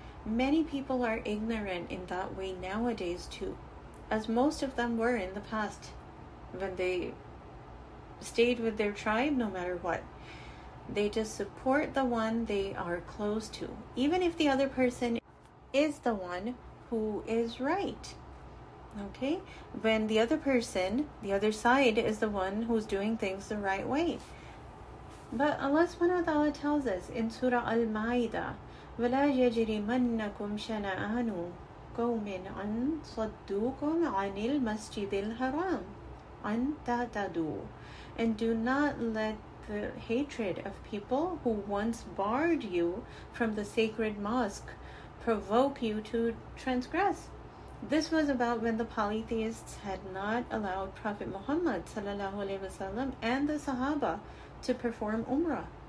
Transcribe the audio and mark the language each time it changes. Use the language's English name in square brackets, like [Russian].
[English] Many people are ignorant in that way nowadays too, as most of them were in the past when they stayed with their tribe no matter what. They just support the one they are close to, even if the other person is the one who is right. Okay? When the other person, the other side, is the one who's doing things the right way. But Allah subhanahu wa ta'ala tells us in Surah Al-Ma'idah, [Arabic] وَلَا يَجْرِمَنَّكُمْ شَنَآنُ قَوْمٍ عَنْ صَدُّوكُمْ عَنِ الْمَسْجِدِ الْحَرَامِ عَنْ تَعْتَدُوا. [English] And do not let the hatred of people who once barred you from the sacred mosque provoke you to transgress. This was about when the polytheists had not allowed Prophet Muhammad sallallahu alaihi wasallam and the Sahaba to perform Umrah.